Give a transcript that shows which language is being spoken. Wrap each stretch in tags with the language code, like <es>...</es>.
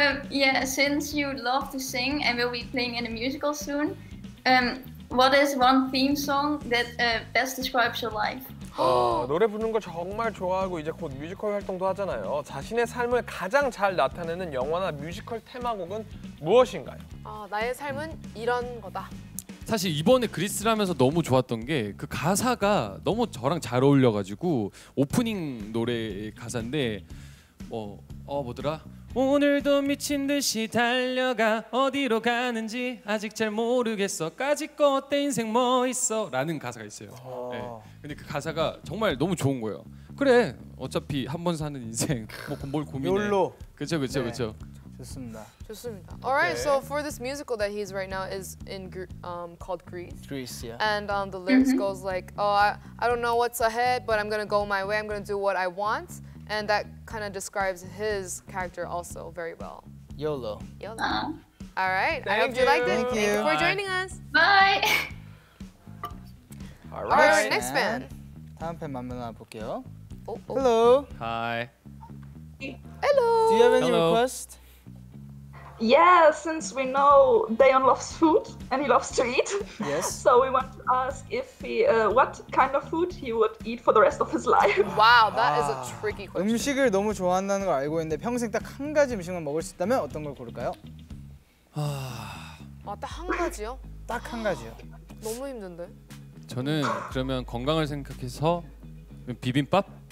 <en>Yeah, since you love to sing and will be playing in a musical soon, what is one theme song that best describes your life?</en> <ko>노래 부르는 걸 정말 좋아하고 이제 곧 뮤지컬 활동도 하잖아요. 자신의 삶을 가장 잘 나타내는 영화나 뮤지컬 테마곡은 무엇인가요? 나의 삶은 이런 거다. 사실 이번에 그리스라면서 너무 좋았던 게 그 가사가 너무 저랑 잘 어울려가지고 오프닝 노래의 가사인데 뭐 뭐더라? 오늘도 미친 듯이 달려가 어디로 가는지 아직 잘 모르겠어 까짓거 어때 인생 뭐 있어 라는 가사가 있어요. 네. 근데 그 가사가 정말 너무 좋은 거예요. 그래 어차피 한 번 사는 인생 뭐 뭘 고민해. 욜로. 그쵸 그쵸 네. 그쵸. 좋습니다. 좋습니다.</ko> <en>Alright, so for this musical that he's right now is in called Greece. Greece, yeah. And the lyrics mm-hmm. goes like, oh, I don't know what's ahead, but I'm gonna go my way. I'm gonna do what I want. And that kind of describes his character also very well. YOLO. YOLO. All right. I hope you liked it. Thank you. Thanks for joining us. Bye. All right. All right. Next fan.</en> <ko>다음 팬 만나 볼게요.</ko> <en>Oh. Hello. Hi. Hello. Do you have any request? Yeah, since we know Dayon loves food and he loves to eat, yes. So we want to ask if he, what kind of food he would eat for the rest of his life. Wow, that is a tricky question.</en> <ko>음식을 너무 좋아한다는 걸 알고 있는데 평생 딱 한 가지 음식만 먹을 수 있다면 어떤 걸 고를까요? 딱 한 가지요? 딱 한 가지요. 너무 힘든데. 저는 그러면 건강을 생각해서 비빔밥.</ko>